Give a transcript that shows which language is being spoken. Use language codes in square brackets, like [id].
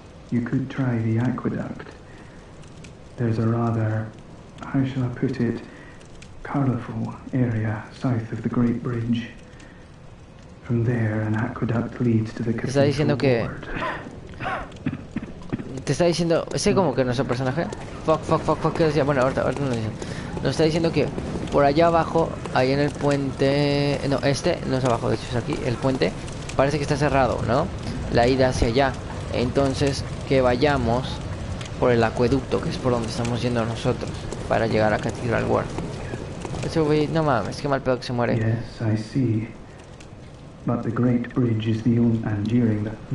[en] You could try the aqueduct. There's a rather, how shall I put it, colorful area south of the great bridge. From there, an aqueduct leads to the cathedral. [es] Está diciendo que. Te está diciendo, ese como que nuestro personaje. Fuck, ¿qué decía? Bueno, ahorita nos dicen. Nos está diciendo que por allá abajo, ahí en el puente. No, este no es abajo, de hecho es aquí, el puente. Parece que está cerrado, ¿no? La ida hacia allá. Entonces, que vayamos por el acueducto, que es por donde estamos yendo nosotros, para llegar a Cathedral Ward. Ese güey, no mames, qué mal pedo que se muere. [en] Yes, I see. But the great bridge is the only. And during the.